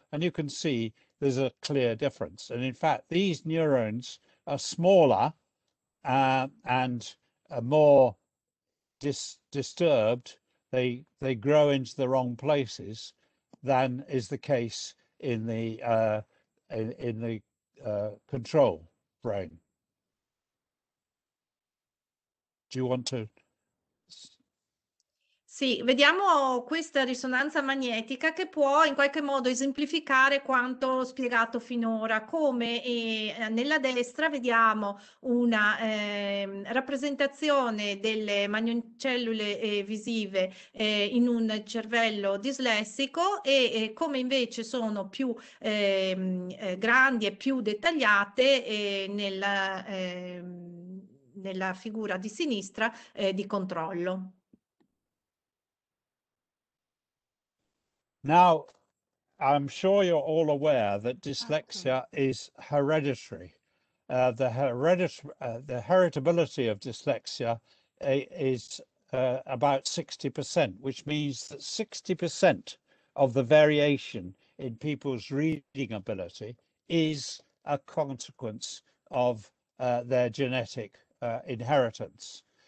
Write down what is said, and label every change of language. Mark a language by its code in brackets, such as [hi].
[en] And you can see there's a clear difference. And in fact, these neurons are smaller and more disturbed. They grow into the wrong places than is the case in the control brain. Do you want to [it] Sì, vediamo questa risonanza magnetica che può in qualche modo esemplificare quanto spiegato finora, come nella destra vediamo una rappresentazione delle cellule visive in un cervello dislessico e come invece sono più grandi e più dettagliate nella figura di sinistra di controllo. [en] Now, I'm sure you're all aware that dyslexia is hereditary. The heritability of dyslexia is about 60%, which means that 60% of the variation in people's reading ability is a consequence of their genetic inheritance.